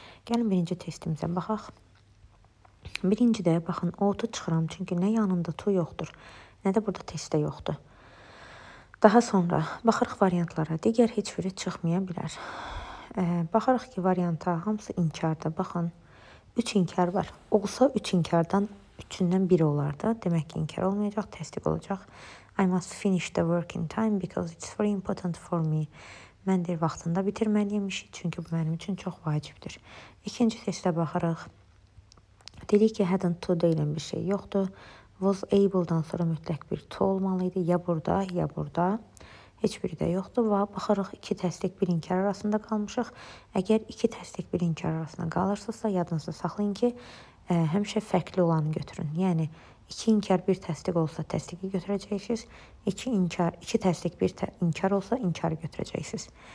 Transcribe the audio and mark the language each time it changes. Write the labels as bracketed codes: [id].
[az] Gəlin birinci testimizə baxaq. Birinci də, baxın, ought-u çıxıram, çünki nə yanında to yoxdur, nə də burada testdə yoxdur. Daha sonra, baxırıq variantlara, digər heç biri çıxmaya bilər. Baxırıq ki, varianta hamısı inkardır. Baxın, 3 inkar var. Olsa 3 inkardan 3-dən biri olardı. Demək ki, inkar olmayacaq, təsdiq olacaq. [en] I must finish the work in time because it's very important for me. [az] Mən deyir, vaxtında bitirməliymişik, çünki bu mənim üçün çox vacibdir. İkinci testə baxırıq. Dedik ki, hadn't to deyilən bir şey yoxdur. Was able-dan sonra mütləq bir to olmalıydı. Ya burada, ya burada. Heç biri də yoxdur. Və baxırıq, iki təsdiq bir inkar arasında qalmışıq. Əgər iki təsdiq bir inkar arasında qalırsınızsa, yadınızda saxlayın ki, həmişə fərqli olanı götürün. Yəni, iki inkar bir təsdiq olsa təsdiqi götürəcəksiniz. İki təsdiq bir inkar olsa inkarı götürəcəksiniz.